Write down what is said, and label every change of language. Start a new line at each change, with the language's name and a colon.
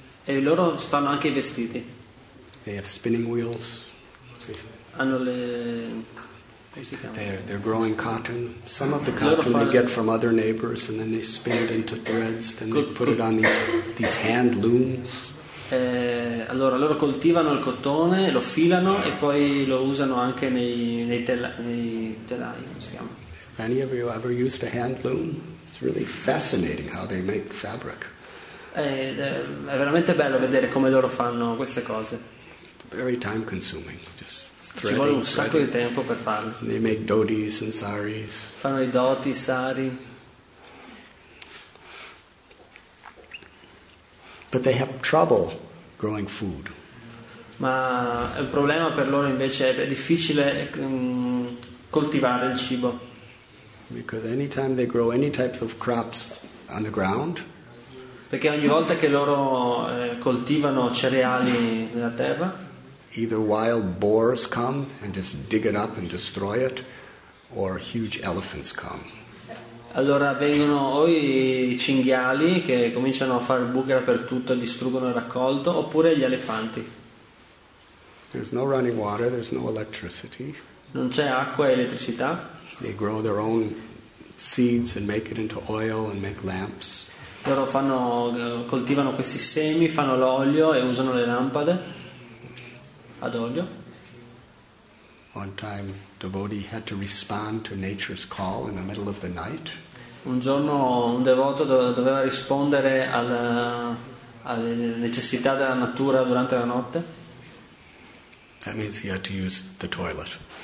Italian: E loro fanno anche i vestiti.
English: They have spinning wheels.
Italian: Hanno le.
English: They're growing cotton. Some of the cotton they get from other neighbors, and then they spin it into threads. Then they put it on these hand looms.
Italian: Allora loro coltivano il cotone, lo filano e poi lo usano anche nei telai.
English: Have any of you ever used a hand loom? It's really fascinating how they make fabric.
Italian: È veramente bello vedere come loro fanno queste cose.
English: Very time consuming. Just threading,
Italian: ci vuole un sacco threading. Di tempo per farlo.
English: They make dotis and saris.
Italian: Fanno i doti, i sari.
English: But they have trouble growing food.
Italian: Ma il problema per loro invece è difficile coltivare il cibo.
English: Because anytime they grow any types of crops on the ground.
Italian: Perché ogni volta che loro coltivano cereali nella terra,
English: either wild boars come and just dig it up and destroy it, or huge elephants come.
Italian: Allora vengono o i cinghiali che cominciano a fare buche dappertutto e distruggono il raccolto, oppure gli elefanti.
English: There's no running water, there's no electricity.
Italian: Non c'è acqua e elettricità.
English: They grow their own seeds and make it into oil and make lamps.
Italian: Loro fanno, coltivano questi semi, fanno l'olio e usano le lampade ad olio.
English: One time, devotee had to respond to nature's call in the middle of the night.
Italian: Un giorno un devoto doveva rispondere alle necessità della natura durante la notte.
English: That means he had to use the toilet.